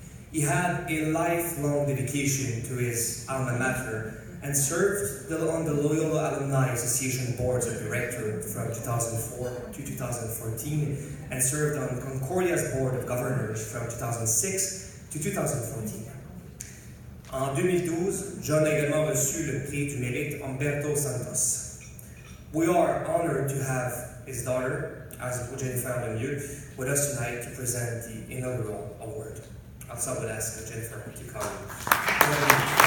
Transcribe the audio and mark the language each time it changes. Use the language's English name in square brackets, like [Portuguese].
[English] He had a lifelong dedication to his alma mater and served on the Loyola Alumni Association Board of Directors from 2004 to 2014 and served on Concordia's Board of Governors from 2006 to 2014. [French] En 2012, John a également reçu le prix du mérite Humberto Santos. [English] We are honored to have his daughter, as Jennifer Lemieux, with us tonight to present the inaugural award. I'll start with asking Jennifer to come.